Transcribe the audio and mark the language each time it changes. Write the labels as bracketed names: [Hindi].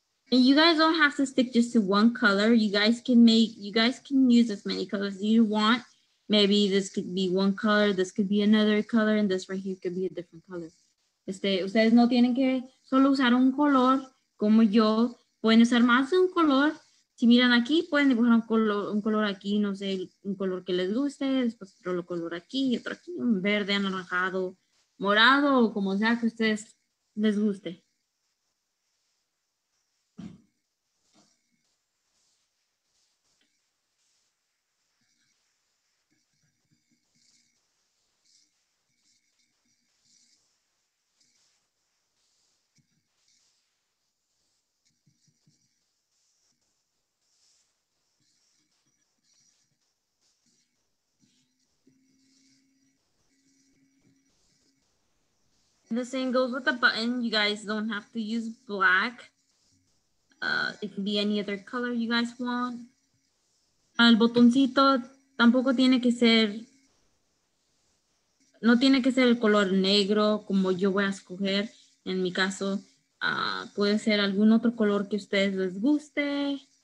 [English] And you guys don't have to stick just to one color. You guys can use as many colors as you want. Maybe this could be one color, this could be another color, and this right here could be a different color. [Spanish] Ustedes no tienen que solo usar un color, como yo. Pueden usar más de un color. Si miran aquí, pueden dibujar un color aquí, no sé, un color que les guste, después otro color aquí, otro aquí, un verde, anaranjado, morado, o como sea que a ustedes les guste. [English] The same goes with the button. You guys don't have to use black. It can be any other color you guys want. [Spanish] El botoncito tampoco tiene que ser, no tiene que ser el color negro como yo voy a escoger en mi caso. Puede ser algún otro color que a ustedes les guste.